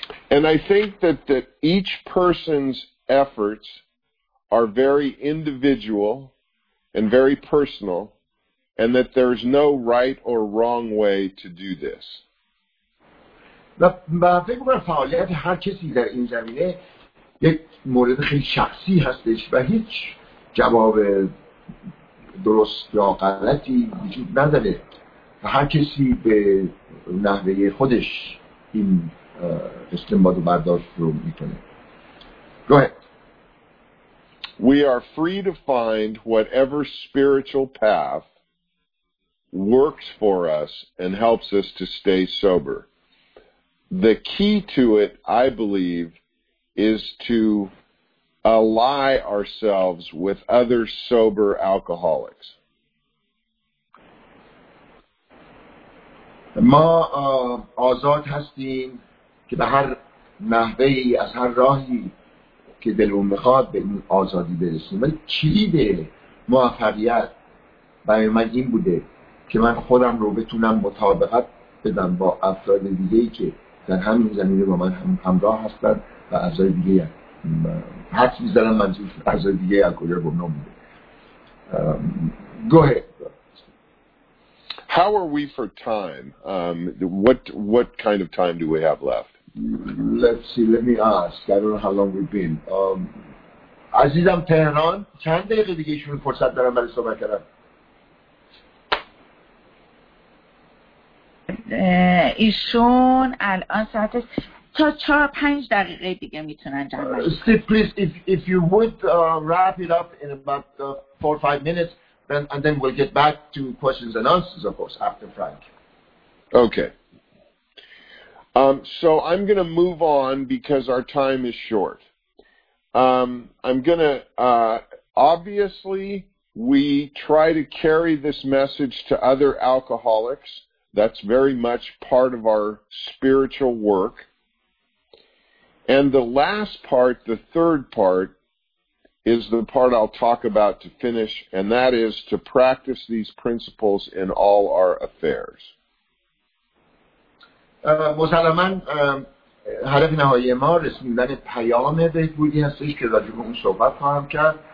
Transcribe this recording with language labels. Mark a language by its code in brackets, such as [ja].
[en] And I think that each person's efforts are very individual and very personal, and that there's no right or wrong way to do this. [fa] و فکر می‌کنم فعالیت هر کسی در این زمینه یک مورد خیلی شخصی هستش و هیچ جواب درست یا غلطی وجود نداره و هر کسی به نحوه خودش این استنباط و برداشت رو می‌کنه. [en] Go ahead. We are free to find whatever spiritual path works for us and helps us to stay sober. The key to it, I believe, is to ally ourselves with other sober alcoholics. [fa] ما آزاد هستیم که به هر نحوه ای از هر راهی که دلمون میخواد به این آزادی برسیم. ولی کلید موفقیت برای من این بوده که من خودم رو بتونم مطابقت بدم با افراد دیگه‌ای که در همین زمینه با من همراه هستن و اعضای دیگه هم حدس میزنم منظور اعضای دیگه از کجا بمنا بوده. [en] Go ahead. How are we for time? What kind of time do we have left? Let's see. Let me ask. I don't know how long we've been. [fa] عزیزم تهران چند دقیقه دیگه ایشون فرصت دارم برای صحبت کردن؟ ایشون الان ساعت تا 4-5 دقیقه دیگه میتونن جمع بشن. [en] Steve, please, if you would wrap it up in about 4-5 minutes. And then we'll get back to questions and answers, of course, after Frank. Okay. So I'm going to move on because our time is short. I'm going to, obviously, we try to carry this message to other alcoholics. That's very much part of our spiritual work. And the last part, the third part, is the part I'll talk about to finish, and that is to practice these principles in all our affairs. [fa] مسلماً هدف نهایی ما رسوندن پیام بهبودی هستش که راجع به اون صحبت خواهم کرد.